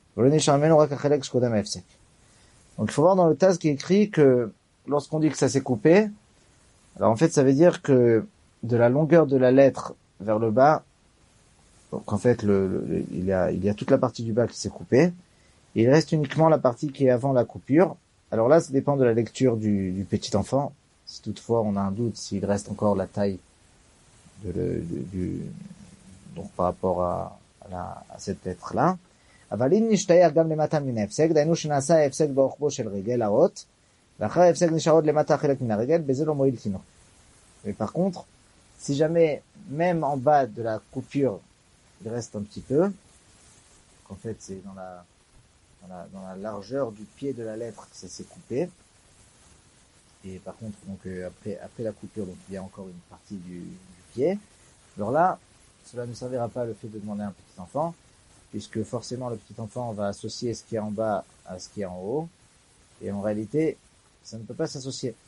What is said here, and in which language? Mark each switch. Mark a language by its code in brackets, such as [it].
[fr] Donc il faut voir dans le Taz qui écrit que lorsqu'on dit que ça s'est coupé, alors en fait ça veut dire que de la longueur de la lettre vers le bas, donc en fait il y a toute la partie du bas qui s'est coupée, et il reste uniquement la partie qui est avant la coupure. Alors là ça dépend de la lecture du petit enfant, si toutefois on a un doute s'il reste encore la taille donc par rapport à cette lettre là. [he] אבל אם נשתייר גם למטה מן ההפסק, דיינו שנעשה ההפסק באורחבו של רגל האות, ואחר ההפסק נשאר עוד למטה חלק מן הרגל, בזה לא מועיל תינוק. [fr] ופר קונטר, si jamais, même en bas de la coupure, il reste un petit peu, en fait c'est dans la largeur du pied de la lettre que ça s'est coupé, et par contre, donc après la coupure, donc il y a encore une partie du pied, alors là, cela ne servira pas le fait de demander à un petit enfant, puisque forcément le petit enfant va associer ce qui est en bas à ce qui est en haut, et en réalité, ça ne peut pas s'associer.